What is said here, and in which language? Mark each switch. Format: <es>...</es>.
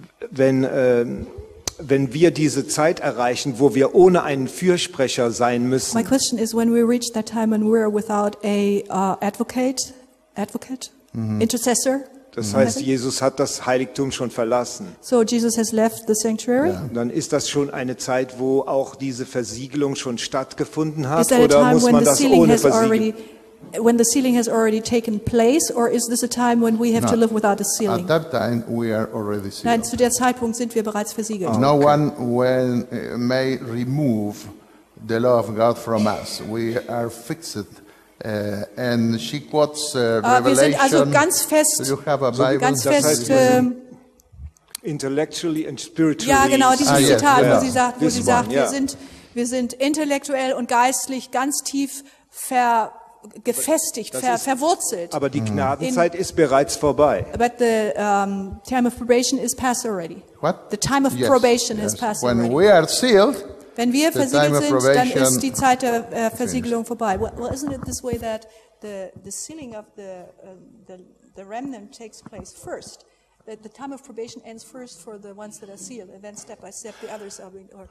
<de>Wenn wir diese Zeit erreichen, wo wir ohne einen Fürsprecher sein müssen.</de> <en>My question is, when we reach that time and we're without a advocate, mm-hmm. intercessor.</en> <de>Das heißt, Jesus hat das Heiligtum schon verlassen.</de> <en>So Jesus has left the sanctuary. Yeah.</en> <de>Dann ist das schon eine Zeit, wo auch diese Versiegelung schon stattgefunden hat, oder muss man das ohne Versiegelung?</de> <en>When the sealing has already taken place, or is this a time when we have to live without a sealing? At that time, we are already sealed.</en> <de>Nein, zu der Zeitpunkt sind wir bereits versiegelt.</de> <en>No one may remove the law of God from us. We are fixed And she quotes Revelation.</en> <de>Wir sind also ganz fest,</de> <en>you have a Bible.</en> <de>So ganz fest, das heißt,</de> <en>intellectually and spiritually.</en> <de>Ja, genau, dieses Zitat, yeah. wo sie sagt, yeah. wir sind intellektuell und geistlich ganz tief verwurzelt. Aber die Gnadenzeit ist bereits vorbei.</de> <en>But the time of probation is past already. What? The time of probation is past when already. When we are sealed.</en> <de>Wenn wir versiegelt sind, dann ist die Zeit der Versiegelung vorbei.</de> <en>Well, isn't it this way that the sealing of the remnant takes place first? That the time of probation ends first for the ones that are sealed, and then step by step the others are being.</en>